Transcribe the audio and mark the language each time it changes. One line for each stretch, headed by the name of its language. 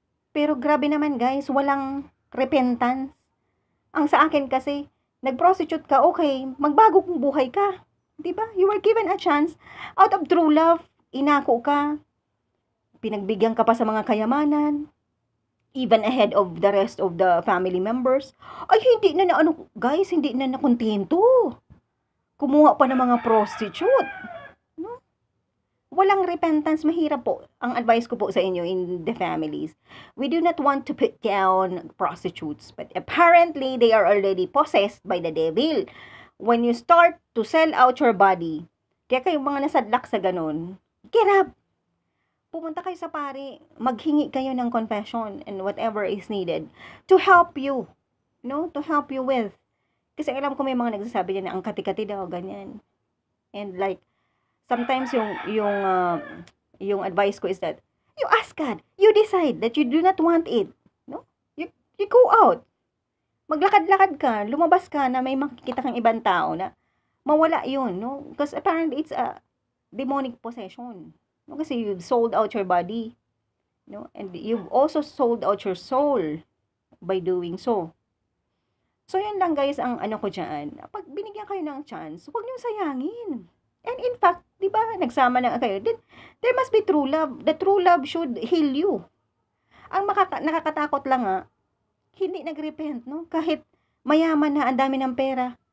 Filipino: Pero grabe naman, guys, walang repentance. Ang sa akin kasi, nag-prostitute ka, okay, magbago kong buhay ka. Diba?
English: You were given a chance out of true love.
Filipino: Inako ka. Pinagbigyan ka pa sa mga kayamanan.
English: Even ahead of the rest of the family members.
Filipino: Ay, hindi na na ano, guys, hindi na nakontento. Kumuha pa ng mga prostitute. No? Walang repentance. Mahirap po. Ang advice ko po sa inyo in the families.
English: We do not want to put down prostitutes. But apparently, they are already possessed by the devil. When you start to sell out your body,
Filipino: kaya kayong mga nasadlak sa ganun,
English: get up!
Filipino: pumunta kayo sa pari, maghingi kayo ng confession
English: and whatever is needed to help you, no? To help you with.
Filipino: Kasi alam ko may mga nagsasabi niya na ang kati-kati daw, ganyan.
English: And like, sometimes
Filipino: yung advice ko
English: is that, you ask God, you decide that you do not want it, no? You go out.
Filipino: Maglakad-lakad ka, lumabas ka na may makikita kang ibang tao na mawala yun, no?
English: Because apparently it's a demonic possession. No, kasi you've sold out your body, no? And you've also sold out your soul by doing so.
Filipino: So yun lang guys ang ano ko diyan. Pag binigyan kayo ng chance, huwag niyo sayangin.
English: And in fact,
Filipino: 'di ba, nagsama na kayo,
English: then there must be true love. The true love should heal you.
Filipino: Ang nakakatakot lang ha, hindi nagrepent, no? Kahit mayaman na, ang dami ng pera.